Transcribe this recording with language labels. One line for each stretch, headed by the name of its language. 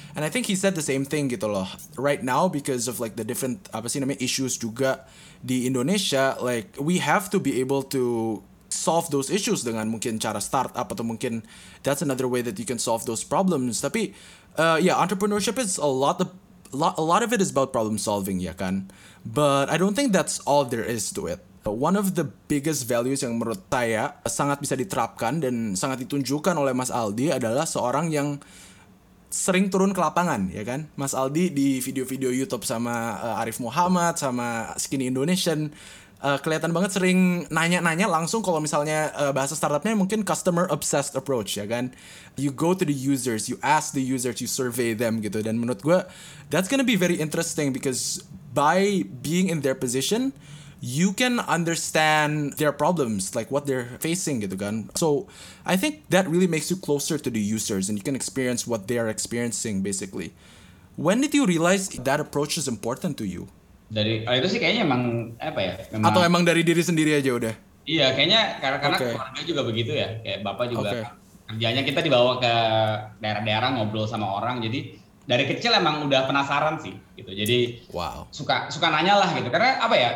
English: And I think he said the same thing
Indonesian: gitu loh.
English: Right now, because of like the different,
Indonesian: apa sih namanya,
English: issues
Indonesian: juga di Indonesia,
English: like, we have to be able to solve those issues
Indonesian: dengan mungkin cara startup, atau mungkin
English: that's another way that you can solve those problems.
Indonesian: Tapi,
English: yeah, entrepreneurship is a lot of it is about problem solving,
Indonesian: ya kan?
English: But I don't think that's all there is to it. One of the biggest values
Indonesian: yang menurut saya sangat bisa diterapkan dan sangat ditunjukkan oleh Mas Aldi adalah seorang yang sering turun ke lapangan, ya kan? Mas Aldi di video-video YouTube sama Arif Muhammad, sama Skinny Indonesian, kelihatan banget sering nanya-nanya langsung kalau misalnya bahasa startupnya mungkin
English: customer obsessed approach
Indonesian: ya kan.
English: You go to the users, you ask the users, you survey them
Indonesian: gitu. Dan menurut gue,
English: that's gonna be very interesting because by being in their position, you can understand their problems, like what they're facing
Indonesian: gitu kan.
English: So I think that really makes you closer to the users and you can experience what they are experiencing basically. When did you realize that approach is important to you?
Indonesian: Dari, oh itu sih kayaknya emang apa ya? Memang, atau emang dari diri sendiri aja udah? Iya, kayaknya karena keluarga juga begitu ya. Kayak bapak juga kerjanya kita dibawa ke daerah-daerah ngobrol sama orang. Jadi dari kecil emang udah penasaran sih gitu. Jadi suka nanya lah gitu. Karena apa ya?